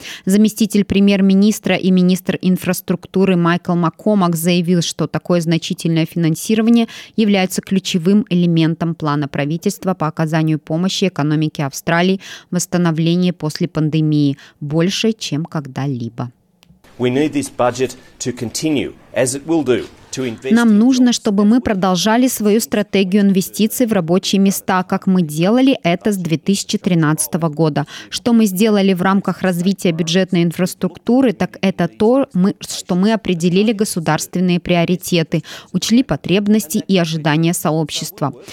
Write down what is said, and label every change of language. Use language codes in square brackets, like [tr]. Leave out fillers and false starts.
[ru] Заместитель премьер-министра и министр инфраструктуры Майкл Маккомак заявил, что такое значительное финансирование является ключевым элементом плана правительства по оказанию помощи экономике Австралии в восстановлении после пандемии, больше, чем когда-либо. [en] We need this budget to continue, as it will do. [ru] Нам нужно, чтобы мы продолжали свою стратегию инвестиций в рабочие места, как мы делали это с 2013 года. Что мы сделали в рамках развития бюджетной инфраструктуры, так это то, что мы определили государственные приоритеты, учли потребности и ожидания сообщества.